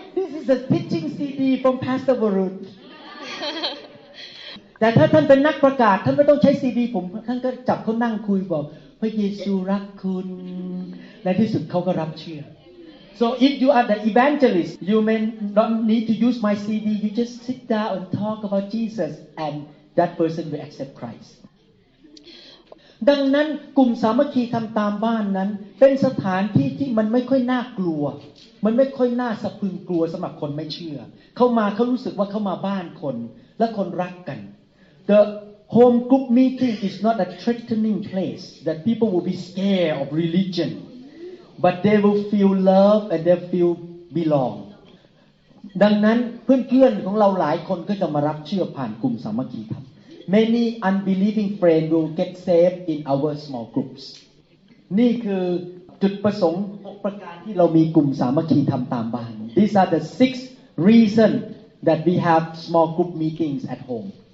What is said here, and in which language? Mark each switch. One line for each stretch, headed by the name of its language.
English: This is a teaching CD from Pastor Varun.
Thai: แต่ถ้าท่านเป็นนักประกาศท่านไม่ต้องใช้ CD ผมท่านก็จับเขานั่งคุยบอกพระเยซูรักคุณในที่สุดเขาก็รับเชื่อ
English: So if you are the evangelist, you may not need to use my CD. You just sit down and talk about Jesus, and that person will accept Christ.
Thai: ดังนั้นกลุ่มสามัคคีทำตามบ้านนั้นเป็นสถานที่ที่มันไม่ค่อยน่ากลัวมันไม่ค่อยน่าสะพรึงกลัวสำหรับคนไม่เชื่อเข้ามาเขารู้สึกว่าเข้ามาบ้านคนและคนรักกัน
English: The home group meeting is not a threatening place that people will be scared of religion. But they will feel love and they feel belong.
Thai: ดังนั้นเพื่อนๆของเราหลายคนก็จะมารับเชื่อผ่านกลุ่มสามัคคีธรรม
English: Many unbelieving friends will get saved in our small groups.
Thai: นี่คือจุดประสงค์6ประการที่เรามีกลุ่มสามัคคีธรรมตามบ้าน
English: These are the six reasons that we have small group meetings at home.